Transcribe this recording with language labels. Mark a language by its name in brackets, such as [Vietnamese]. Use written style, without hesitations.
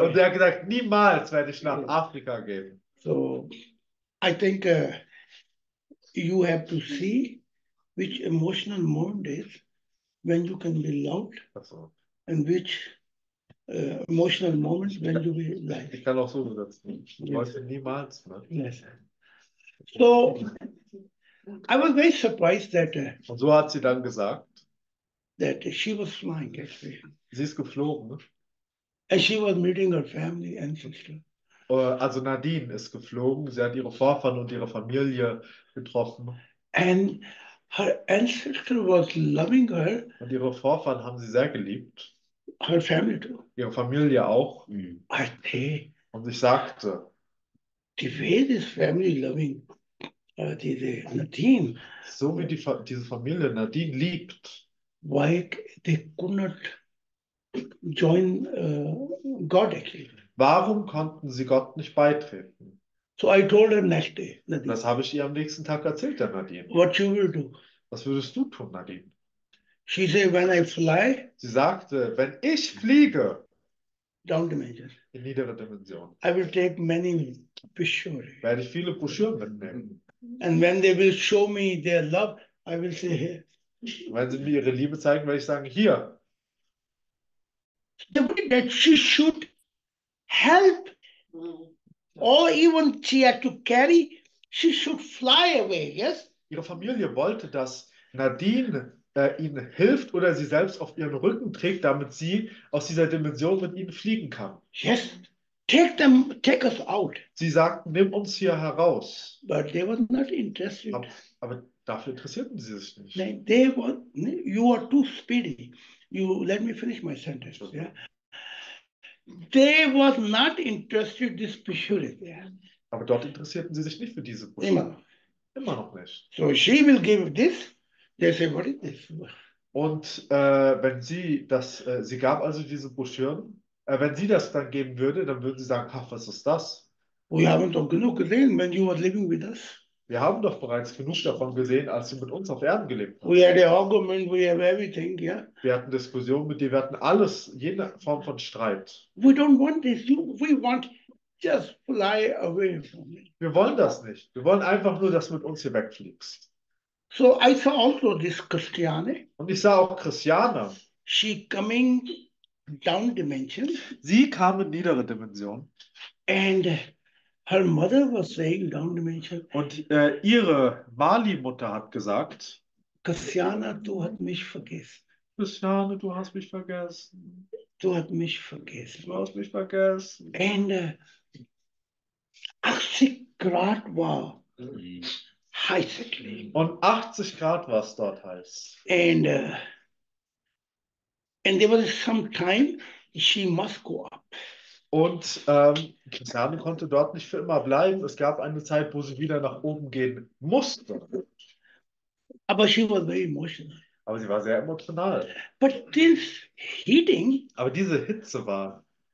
[German] Und er hat gesagt, niemals werde ich nach Afrika gehen. [English] So, I think you have to see which emotional moment is when you can be loud and which emotional moment when you be light. [German] Ich kann auch so übersetzen. Ich wollte niemals. Ne? [English] Yes. So, I was very surprised that. [German] Und so hat sie dann gesagt, [English] that she was flying actually. [German] Sie ist geflogen. [English] And she was meeting her family and sister. [German] Also Nadine ist geflogen. Sie hat ihre Vorfahren und ihre Familie getroffen. [English] And her ancestor was loving her. [German] Und ihre Vorfahren haben sie sehr geliebt. [English] Her family too. [German] Ihre Familie auch. [English] Okay. [German] Und ich sagte. [English] The way this family loving [German] diese [English] Nadine. [German] So wie die diese Familie Nadine liebt. [English] Why they could not join God actually. [German] Warum konnten sie Gott nicht beitreten? [English] So I told her next day, Nadine. [German] Das habe ich ihr am nächsten Tag erzählt, der Nadine. [English] What you will do? [German] Was würdest du tun, Nadine? [English] She said, when I fly. [German] Sie sagte, wenn ich fliege. [English] Down the major. [German] In niedere Dimension. [English] I will take many Broschüren. [German] Werde ich viele Broschüren mitnehmen. [English] And when they will show me their love, I will say here. [German] Wenn sie mir ihre Liebe zeigen, werde ich sagen hier. [English] The way that she should help, or even she had to carry, she should fly away. Yes. [German] Ihre Familie wollte, dass Nadine ihnen hilft oder sie selbst auf ihren Rücken trägt, damit sie aus dieser Dimension mit ihnen fliegen kann. [English] Yes. Take them, take us out. [German] Sie sagten, nimm uns hier heraus. [English] But they were not interested. [German] Aber dafür interessierten sie sich nicht. Nein, [English] they were, you are too speedy. You let me finish my sentence. Yeah. They were not interested this picture. Yeah. [German] Aber dort interessierten sie sich nicht für diese Busche. Immer noch. Immer noch nicht. [English] So she will give this. They say, what is this? [German] Und wenn sie das, sie gab also diese Broschüren. Wenn sie das dann geben würde, dann würden sie sagen, ach, was ist das? Wir haben doch genug gesehen, [English] when you were living with us. [German] Wir haben doch bereits genug davon gesehen, als sie mit uns auf Erden gelebt haben. [English] We had the argument, we have everything, yeah. [German] Wir hatten Diskussionen mit dir, wir hatten alles, jede Form von Streit. [English] We don't want this, we want just fly away from me. [German] Wir wollen das nicht. Wir wollen einfach nur, dass du mit uns hier wegfliegst. [English] So I saw also this Christiane. [German] Und ich sah auch Christiane. [English] She coming down dimension. [German] Sie kam in niedere Dimension. [English] And her mother was saying down dimension. [German] Und ihre Mali-Mutter hat gesagt, Christiane, du hast mich vergessen. Christiane, du hast mich vergessen. Du hast mich vergessen. Du hast mich vergessen. [English] And [German] ach, sie gerade war heiß es leben. Und 80 Grad war es dort heiß. [English] And and there was some time she must go up. [German] Und Christiane konnte dort nicht für immer bleiben. Es gab eine Zeit, wo sie wieder nach oben gehen musste. Aber [English] she was very emotional. [German] Aber sie war sehr emotional. [English] But this heating, [German] aber diese Hitze war.